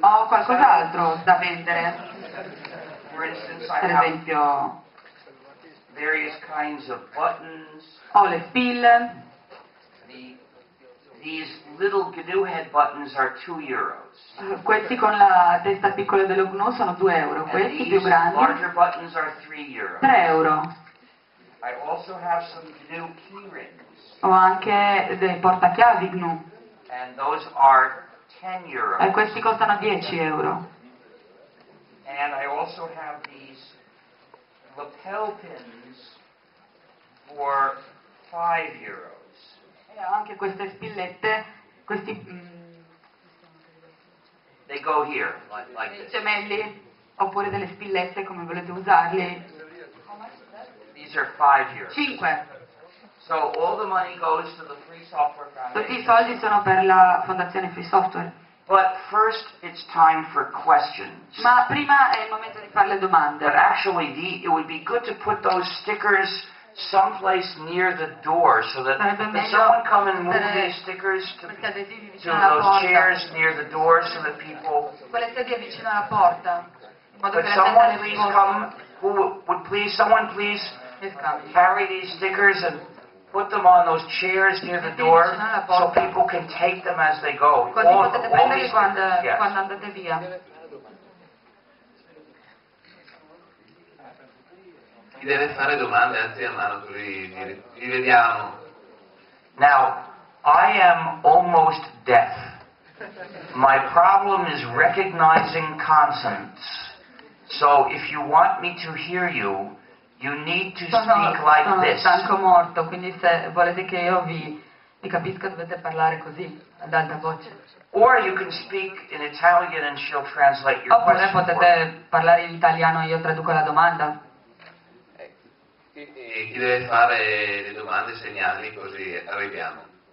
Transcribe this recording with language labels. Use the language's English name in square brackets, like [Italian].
[Italian] Ho qualcos'altro da vendere. [English] For instance, [Italian] per esempio, [English] various kinds of buttons. [Italian] Ho le spille. [English] These little GNU head buttons are 2 euros. [Italian] Questi con la testa piccola dello GNU sono 2 euro. Questi più grandi. [English] Larger buttons are 3 euros. [Italian] 3 euro. [English] I also have some GNU key rings. [Italian] Ho anche dei portachiavi GNU. [English] And those are 10 euros. [Italian] E questi costano 10 euro. [English] And I also have these lapel pins for 5 euros. [Italian] E anche queste spillette, questi. [English] They go here, like this. [Italian] Gemelli, oppure delle spillette, come volete usarli. [English] These are 5 euros. [Italian] 5. [English] So all the money goes to the Free Software Foundation. [Italian] Tutti i soldi sono per la Fondazione Free Software. [English] But first it's time for questions. [Italian] Ma prima è il momento di fare le domande. [English] But actually, it would be good to put those stickers someplace near the door so that someone come and move these stickers to those chairs near the door so that people. [Italian] Quelle sedie vicino alla porta. [English] But someone please come. Who would please, someone please carry these stickers and put them on those chairs near the door so people can take them as they go. [Italian] Così potete prenderli quando andate via. Chi deve fare domande, anzi a mano, li vediamo. [English] Now, I am almost deaf. My problem is recognizing consonants. So if you want me to hear you, you need to speak like this. [Italian] Sono stanco morto, quindi se volete che io vi capisca dovete parlare così, ad alta voce. [English] Or you can speak in Italian and she'll translate your question. [Italian] Oppure potete parlare in italiano e io traduco la domanda. Chi deve fare le domande segnali così arriviamo.